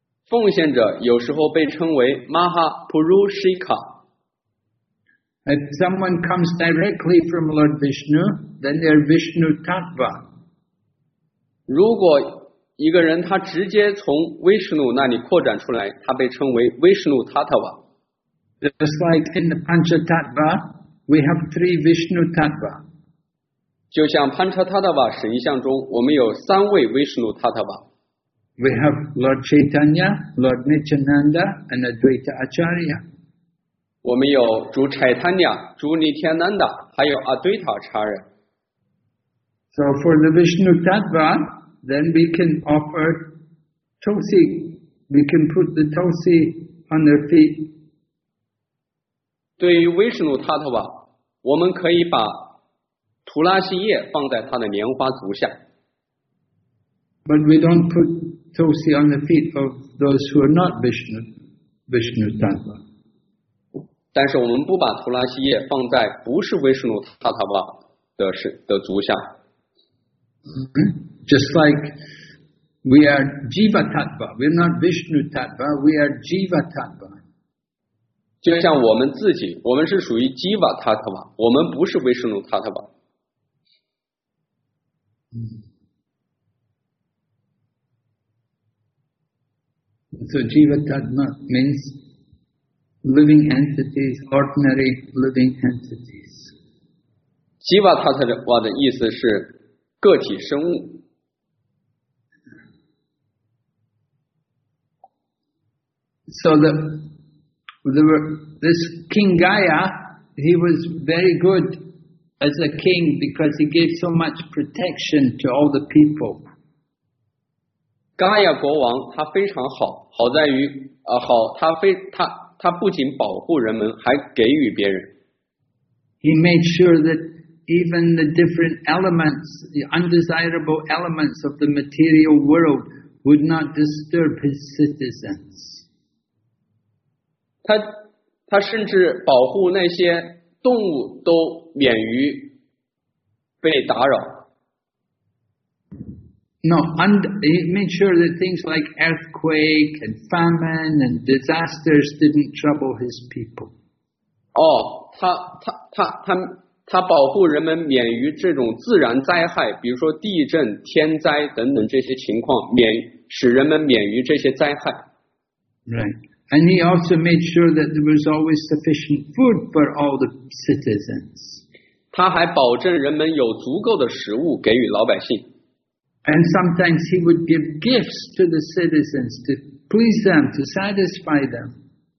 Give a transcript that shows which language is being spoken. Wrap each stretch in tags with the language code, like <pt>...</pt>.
<zh>奉献者有时候被称为 Mahapurushika.</zh> <en>If someone comes directly from Lord Vishnu, then they're Vishnu Tattva.</en> <zh>如果一个人他直接从威士努那里扩展出来，他被称为威士努塔塔瓦。</zh> <en>Just like in the Panchatattva, we have three Vishnu Tattva.</en> <zh>就像 Panchatattva 神像中，我们有三位威士努塔塔瓦。</zh> <en>We have Lord Chaitanya, Lord Nityananda, and Advaita Acharya.</en> <zh>我们有主 Chaitanya, 主 Nityananda, 还有 Advaita Acharya.</zh> <en>So for the Vishnu Tattva,Then we can offer Tulsi. We can put the Tulsi on their feet.</en> <zh>对于威士努塔塔瓦，我们可以把图拉西叶放在他的莲花足下。</zh> <en>But we don't put Tulsi on the feet of those who are not Vishnu Tattva.</en> <zh>但是我们不把图拉西叶放在不是威士努塔塔瓦的足下。</zh> <en>Just like we are Jiva Tattva, we're not Vishnu Tattva, we are Jiva Tattva.</en> <zh>就像我们自己，我们是属于 Jiva Tattva, 我们不是 Vishnu Tattva.</zh> <en>So Jiva Tattva means living entities, ordinary living entities.</en> <zh>Jiva Tattva 的意思是个体生物。</zh> <en>So this King Gaya, he was very good as a king because he gave so much protection to all the people.</en> <zh>Gaya 国王他非常好，好在于好，他不仅保护人们，还给予别人。</zh> <en>He made sure that even the different elements, the undesirable elements of the material world, would not disturb his citizens.</en> <zh>他甚至保护那些动物都免于被打扰。</zh> <en>No, and he made sure that things like earthquake and famine and disasters didn't trouble his people.</en> <zh>哦，他保护人们免于这种自然灾害，比如说地震、天灾等等这些情况，使人们免于这些灾害。</zh> <en>Right. And he also made sure that there was always sufficient food for all the citizens.</en> <zh>他还保证人们有足够的食物给予老百姓。</zh> <en>And sometimes he would give gifts to the citizens to please them, to satisfy them.</en>